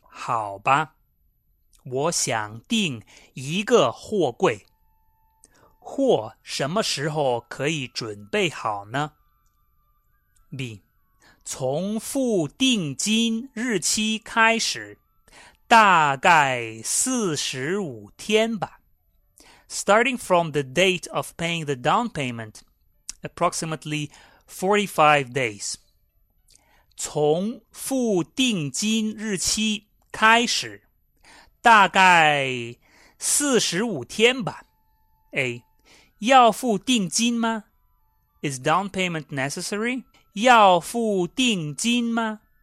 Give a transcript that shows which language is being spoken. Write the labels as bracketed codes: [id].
[zh] 好吧，我想订一个货柜。货什么时候可以准备好呢？ [en] B. [zh] 从付定金日期开始，大概45天吧。 [en] Starting from the date of paying the down payment, approximately 45 days. [zh] 从付定金日期开始，大概45天吧。 A. 要付定金吗? [en] Is down payment necessary? [zh] 要付定金吗?